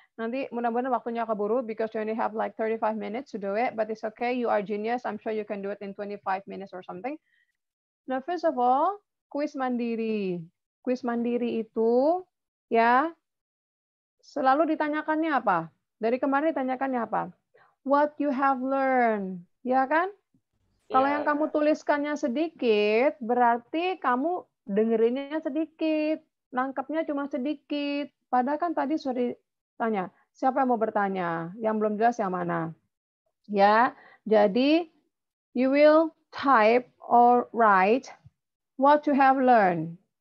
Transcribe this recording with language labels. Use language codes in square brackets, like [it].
[id] Nanti mudah-mudahan waktunya keburu [en] because you only have like 35 minutes to do it, but it's okay. You are genius. I'm sure you can do it in 25 minutes or something. Now first of all, quiz mandiri. [id] Quiz mandiri itu ya selalu ditanyakannya apa? Dari kemarin ditanyakannya apa? [en] What you have learned, [id] ya kan? Kalau yang kamu tuliskannya sedikit, berarti kamu dengerinnya sedikit, nangkepnya cuma sedikit. Padahal kan tadi sudah ditanya, siapa yang mau bertanya? Yang belum jelas yang mana? [en] Ya, jadi you will type or write what you have learned.